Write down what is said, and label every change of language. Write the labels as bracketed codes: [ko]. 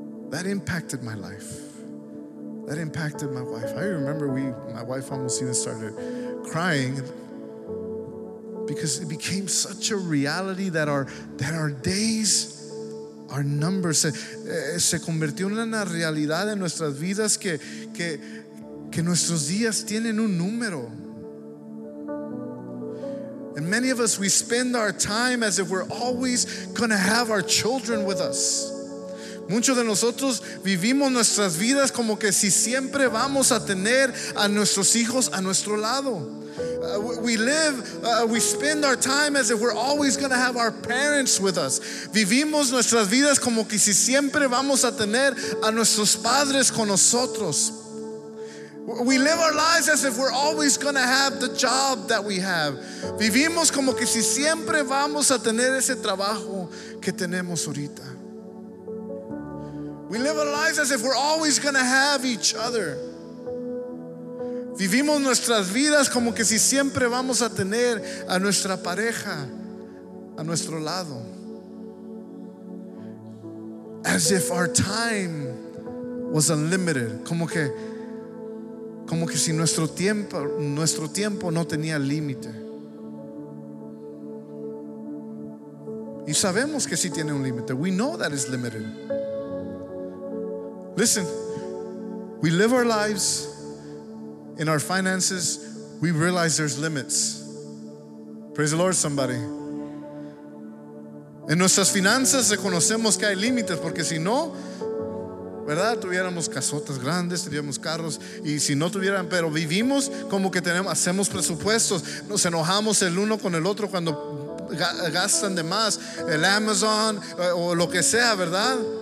[en] That impacted my life. That impacted my wife. I remember my wife almost even started crying, because it became such a reality that our days are numbered. [es] Se convirtió en una realidad en nuestras vidas que nuestros días tienen un número. [en] And many of us, we spend our time as if we're always going to have our children with us. [es] Muchos de nosotros vivimos nuestras vidas como que si siempre vamos a tener a nuestros hijos a nuestro lado. [en] We spend our time as if we're always going to have our parents with us. [es] Vivimos nuestras vidas como que si siempre vamos a tener a nuestros padres con nosotros. [en] We live our lives as if we're always going to have the job that we have. [es] Vivimos como que si siempre vamos a tener ese trabajo que tenemos ahorita. [en] We live our lives as if we're always going to have each other. [es] Vivimos nuestras vidas como que si siempre vamos a tener a nuestra pareja a nuestro lado. [en] As if our time was unlimited. [es] Como que si nuestro tiempo no tenía límite. Y sabemos que sí tiene un límite. [en] We know that it's limited. Listen, we live our lives in our finances, we realize there's limits. Praise the Lord, somebody. [es] En nuestras finanzas reconocemos que hay límites, porque si no, ¿verdad? Tuviéramos casotas grandes, tuviéramos carros, y si no tuvieran, pero vivimos como que tenemos, hacemos presupuestos, nos enojamos el uno con el otro cuando gastan de más, el Amazon o lo que sea, ¿verdad?